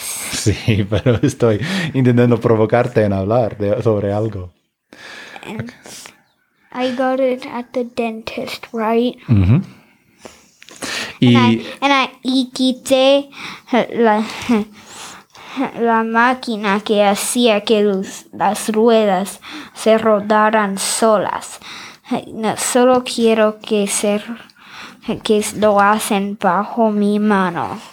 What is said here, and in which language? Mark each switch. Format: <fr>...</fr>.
<es>Sí, pero estoy intentando provocarte en hablar sobre algo.</es> <en>Okay. I got it at the dentist, right? Mm-hmm.</en> <es>Y quité la máquina que hacía que las ruedas se rodaran solas. Solo quiero que lo hacen bajo mi mano.</es>